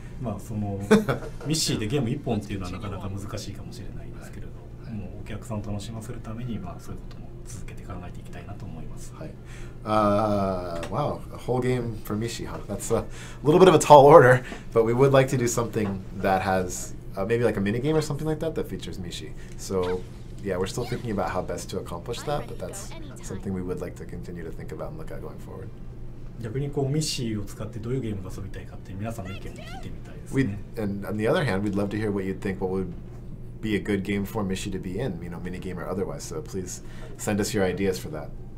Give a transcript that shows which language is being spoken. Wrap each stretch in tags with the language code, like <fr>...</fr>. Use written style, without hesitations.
<ja>まあそのミッシーでゲーム1本っていうのはなかなか難しいかもしれないですけれど、はいはい、もうお客さんを楽しませるためにまあそういうことも続けて考えていきたいなと思います。</ja> <en>はい、wow, a whole game for Mishi, huh? That's a little bit of a tall order, but we would like to do something that has maybe like a mini game or something like that that features Mishi. SoYeah, we're still thinking about how best to accomplish that, but that's something we would like to continue to think about and look at going forward.</en> <ja>逆にこうミッシーを使ってどういうゲームを遊びたいかって皆さんの意見を聞いてみたいですね。</ja> <en>And on the other hand, we'd love to hear what you'd think what would be a good game for Mishi to be in, you know, mini game or otherwise. So please send us your ideas for that.</en>